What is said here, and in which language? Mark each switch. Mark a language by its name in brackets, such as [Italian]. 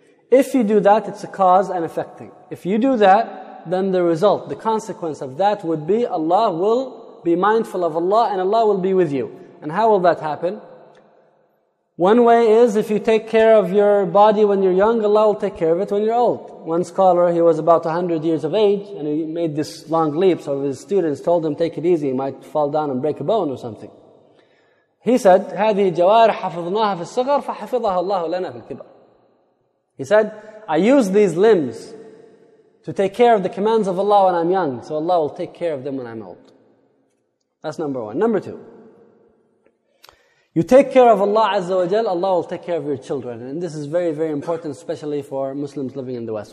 [English] If you do that, it's a cause and effect thing. If you do that, then the result, the consequence of that would be Allah will be mindful of Allah and Allah will be with you. And how will that happen? One way is if you take care of your body when you're young, Allah will take care of it when you're old. One scholar, he was about 100 years of age and he made this long leap, so his students told him, take it easy, he might fall down and break a bone or something. He said, [Arabic] هذه جوارح حفظناها في الصغر فحفظها الله لنا في الكبر. [English] He said, I use these limbs to take care of the commands of Allah when I'm young, so Allah will take care of them when I'm old. That's number one. Number two, you take care of Allah Azza wa Jal, Allah will take care of your children. And this is very, very important, especially for Muslims living in the West.